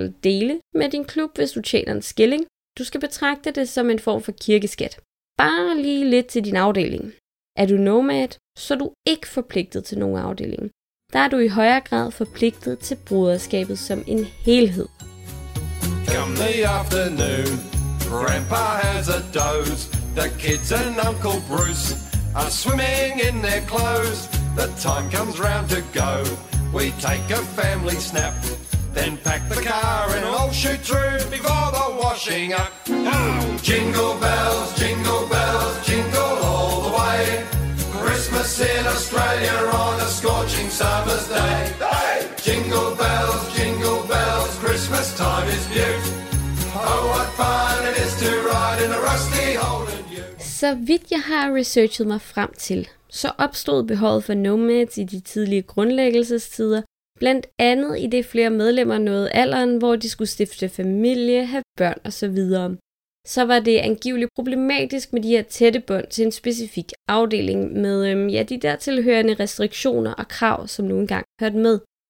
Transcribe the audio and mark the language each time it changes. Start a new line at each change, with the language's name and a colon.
Danish: dele med din klub, hvis du tjener en skilling. Du skal betragte det som en form for kirkeskat. Bare lige lidt til din afdeling. Er du nomad, så er du ikke forpligtet til nogen afdeling. Der er du i højere grad forpligtet til broderskabet som en helhed.
English: Come the afternoon, grandpa has a doze. The kids and Uncle Bruce are swimming in their clothes. The time comes round to go, we take a family snap. Then pack the car and all shoot through before the washing up. Jingle bells, jingle bells, jingle all the way. Christmas in Australia on a scorching summer's day. Jingle bells, jingle bells, Christmas time is beaut. Oh, what fun it is to ride in a rusty holden ute.
Danish: Så vidt jeg har researchet mig frem til, så opstod behovet for nomads i de tidlige grundlæggelsestider, blandt andet i det flere medlemmer nåede alderen, hvor de skulle stifte familie, have børn osv. Så var det angiveligt problematisk med de her tætte bånd til en specifik afdeling med de dertilhørende restriktioner og krav, som nu engang hørte med.